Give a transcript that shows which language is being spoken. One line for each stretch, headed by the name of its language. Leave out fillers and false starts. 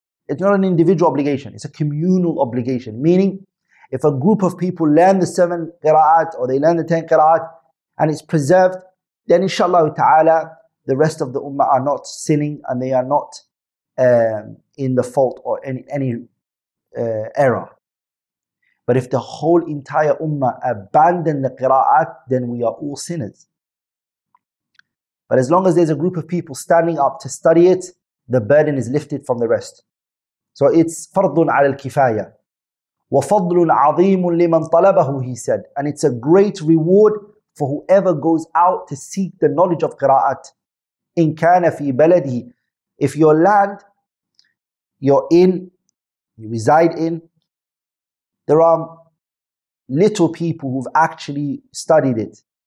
English: It's not an individual obligation. It's a communal obligation. Meaning, if a group of people learn the 7 qira'at or they learn the 10 qira'at and it's preserved, then inshallah ta'ala, the rest of the ummah are not sinning and they are not in the fault or any error. But if the whole entire ummah abandon the qira'at, then we are all sinners. But as long as there's a group of people standing up to study it, the burden is lifted from the rest. So it's fardun ala al-kifaya.
Arabic: وَفَضْلٌ عَظِيمٌ لِمَنْ طَلَبَهُ
English: he said. And it's a great reward for whoever goes out to seek the knowledge of qira'at.
Arabic: إِنْ كَانَ فِي بَلَدِهِ
English: If your land, you're in, you reside in, there are little people who've actually studied it.